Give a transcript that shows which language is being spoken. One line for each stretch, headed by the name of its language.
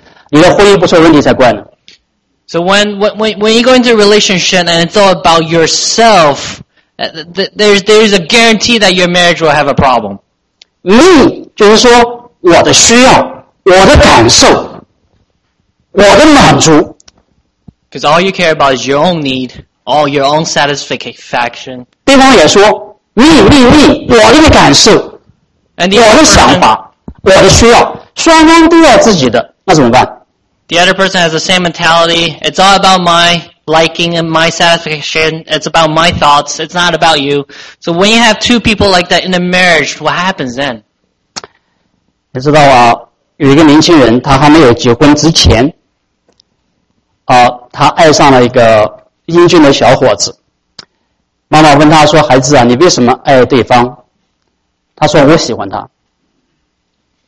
Chinese: 当一个时代，一个人，他绝对的高举爱，没有的时候，你的婚姻不出问题才怪呢。
English: So when you go into a relationship and it's all about yourself, there's a guarantee that your marriage will have a problem. Me
Chinese: 就是说我的需要，我的感受，我的满足。
English: Because all you care about is your own need, all your own satisfaction.
Chinese: 对方也说，你，我的感受，我的想法，我的需要，双方都要自己的，那怎么办？
English: The other person has the same mentality. It's all about my liking and my satisfaction. It's about my thoughts. It's not about you. So when you have two people like that in a marriage, what happens then?
Chinese: 你知道啊，有一个年轻人，他还没有结婚之前。他爱上了一个英俊的小伙子。妈妈问他说：“孩子啊，你为什么爱对方？”他说：“我喜欢他。”